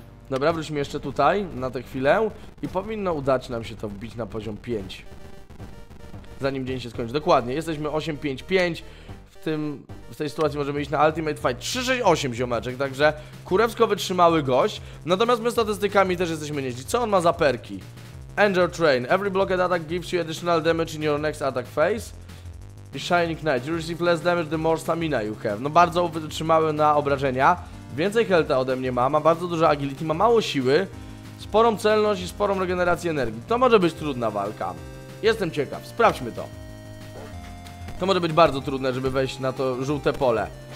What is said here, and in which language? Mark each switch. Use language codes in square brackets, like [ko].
[pl] Dobra, wróćmy jeszcze tutaj na tę chwilę i powinno udać nam się to wbić na poziom 5, zanim dzień się skończy. Dokładnie, jesteśmy 8-5-5. W tej sytuacji możemy iść na Ultimate Fight. 3-6-8 ziomeczek, także kurewsko wytrzymały gość. Natomiast my statystykami też jesteśmy nieźli. Co on ma za perki? Angel Train. [en] Every blocked attack gives you additional damage in your next attack phase. Shining Knight. You receive less damage, the more stamina you have. [pl] No bardzo wytrzymały na obrażenia. Więcej healtha ode mnie ma. Ma bardzo dużo agility, ma mało siły. Sporą celność i sporą regenerację energii. To może być trudna walka. Jestem ciekaw. Sprawdźmy to. To może być bardzo trudne, żeby wejść na to żółte pole.